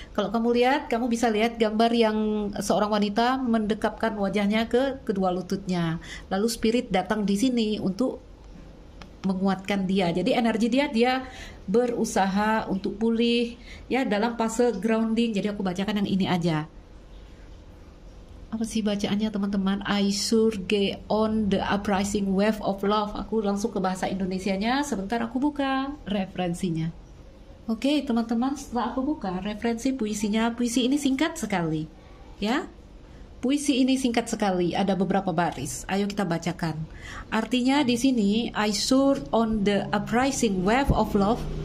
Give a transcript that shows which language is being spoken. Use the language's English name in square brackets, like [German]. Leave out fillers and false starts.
[Indonesian] Kalau kamu lihat, kamu bisa lihat gambar yang seorang wanita mendekapkan wajahnya ke kedua lututnya. Lalu spirit datang di sini untuk menguatkan dia. Jadi energi dia, dia berusaha untuk pulih ya dalam fase grounding. Jadi aku bacakan yang ini aja. Apa sih bacaannya teman-teman? [English] I surge on the uprising wave of love. [Indonesian] Aku langsung ke bahasa Indonesianya. Sebentar aku buka referensinya. Oke, okay, teman-teman, setelah aku buka referensi puisinya, puisi ini singkat sekali. Ya? Puisi ini singkat sekali, ada beberapa baris. Ayo kita bacakan. Artinya di sini [English] I surge on the uprising wave of love.